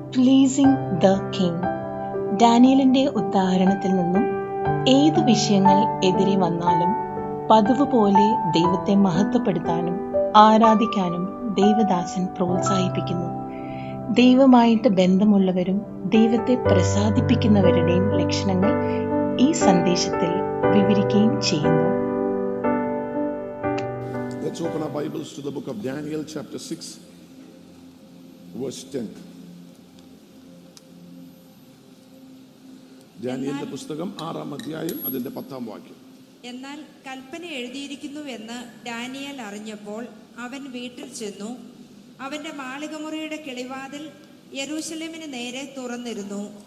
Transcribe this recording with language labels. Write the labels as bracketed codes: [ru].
[en] pleasing the king [ml] ഡാനിയലിന്റെ ഉദാഹരണത്തിൽ നിന്നും ഏത് വിഷയങ്ങൾ എതിരെ വന്നാലും പതിവ് പോലെ ദൈവത്തെ മഹത്വപ്പെടുത്താനും ആരാധിക്കാനും ദൈവദാസൻ പ്രോത്സാഹിപ്പിക്കുന്നു. ദൈവമായിട്ട് ബന്ധമുള്ളവരും ദൈവത്തെ പ്രസാദിപ്പിക്കുന്നവരുടെയും ലക്ഷണങ്ങൾ ഈ സന്ദേശത്തിൽ വിവരിക്കുകയും ചെയ്യുന്നു. [en] Let's open our Bibles to the book of Daniel, chapter 6, verse 10. [ml] ദാനിയേലിന്റെ പുസ്തകം ആറാം അധ്യായം അതിന്റെ പത്താം വാക്യം. എന്നാൽ കൽപ്പന എഴുതിയിരിക്കുന്നുവെന്ന് ഡാനിയൽ അറിഞ്ഞപ്പോൾ അവൻ വീട്ടിൽ ചെന്നു. അവന്റെ മാളികമുറിയുടെ കിളിവാതിൽ യെരൂശലേമിന് നേരെ തുറന്നിരുന്നു.